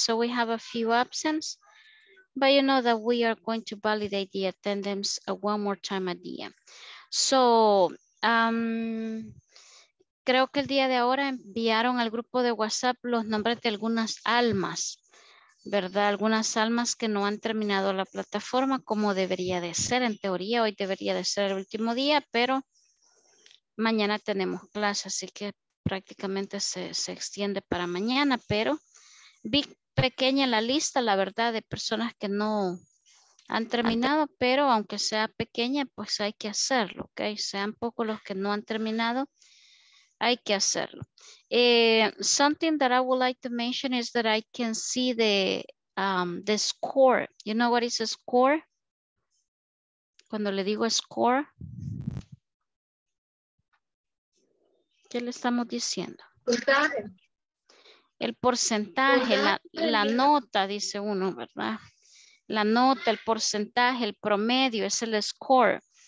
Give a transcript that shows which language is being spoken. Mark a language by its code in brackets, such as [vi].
[en] So we have a few absence, but you know that we are going to validate the attendance one more time at the end. [es] So creo que el día de ahora enviaron al grupo de WhatsApp los nombres de algunas almas, ¿verdad? Algunas almas que no han terminado la plataforma como debería de ser. En teoría, hoy debería de ser el último día, pero mañana tenemos clase, así que prácticamente se extiende para mañana. Pero vi pequeña la lista, la verdad, de personas que no han terminado, pero aunque sea pequeña, pues hay que hacerlo, ¿ok? Sean pocos los que no han terminado, hay que hacerlo. [en] Something that I would like to mention is that I can see the score. You know what is a score? [es] Cuando le digo score, ¿qué le estamos diciendo? Porcentaje. El porcentaje, la nota, dice uno, ¿verdad? La nota, el porcentaje, el promedio, es el score.